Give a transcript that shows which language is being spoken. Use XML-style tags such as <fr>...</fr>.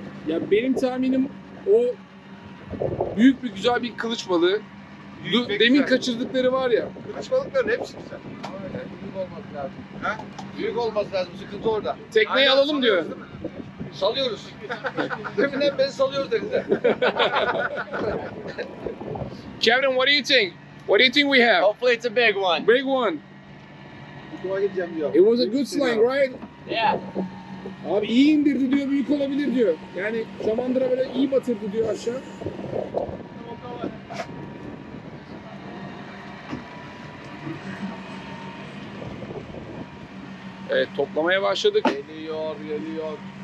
<tr>Ya benim tahminim o büyük bir güzel bir kılıç balığı. Demin güzel kaçırdıkları var ya. Kılıç balıkların hepsi güzel. Büyük olması lazım. Ha? Büyük olması lazım, sıkıntı orada. Tekneyi aynen alalım diyor. Salıyoruz. Deminden beri salıyoruz denize.</tr> <en>Kevin, what do you think? What do you think we have? Hopefully it's a big one. Big one. It was a good slang, right? Yeah.</en> <tr>Abi iyi indirdi diyor, büyük olabilir diyor. Yani şamandıra böyle iyi batırdı diyor aşağı. Evet, toplamaya başladık. Geliyor, geliyor.</tr>